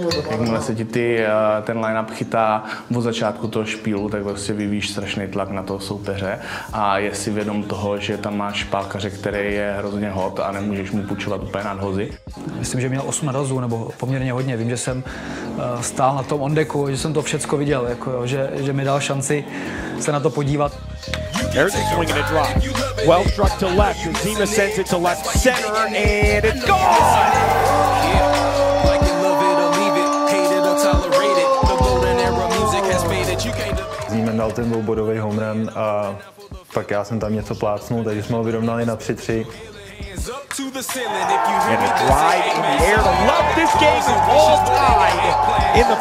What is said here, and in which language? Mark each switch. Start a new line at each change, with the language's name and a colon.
Czech: Jakmile se ti ten line-up chytá od začátku toho špílu, tak vlastně vyvíjíš strašný tlak na toho soupeře a je si vědom toho, že tam máš pálkaře, který je hrozně hot a nemůžeš mu půjčovat úplně nadhozy. Myslím, že měl 8 nadhozů nebo poměrně hodně. Vím, že jsem stál na tom on-decku, že jsem to všecko viděl, jako, že mi dal šanci se na to podívat.
English: There's a swing and a drop. Well struck to left. Zima sends it to left center and it's gone!
Czech: Zima dal ten dvoubodový home run a pak já jsem tam něco plácnul, takže jsme ho vyrovnali na 3-3.
English: And a drive in the air to left. This game is all tied in the